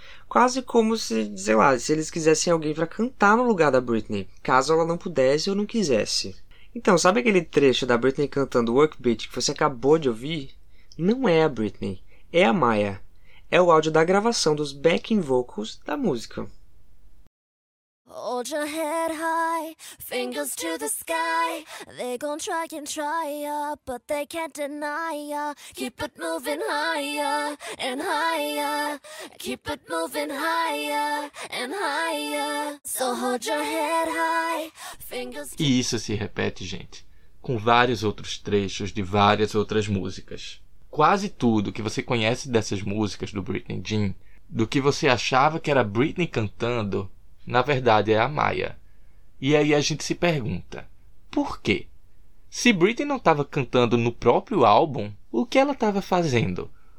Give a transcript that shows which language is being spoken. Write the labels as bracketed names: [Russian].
[Portuguese] Quase como se, sei lá, se eles quisessem alguém pra cantar no lugar da Britney, caso ela não pudesse ou não quisesse. Então, sabe aquele trecho da Britney cantando Work Beat que você acabou de ouvir? Não é a Britney, é a Maya. É o áudio da gravação dos backing vocals da música. [English] Hold your head high, fingers to the sky. They gon' try and try ya, but they can't deny ya. Keep it moving higher and higher. Keep it moving higher and higher. So hold your head high, fingers. [Portuguese] E isso se repete, gente, com vários outros trechos de várias outras músicas. Quase tudo que você conhece dessas músicas do Britney Jean, do que você achava que era Britney cantando, na verdade, é a Maya. E aí a gente se pergunta, por quê? Se Britney não estava cantando no próprio álbum, o que ela estava fazendo?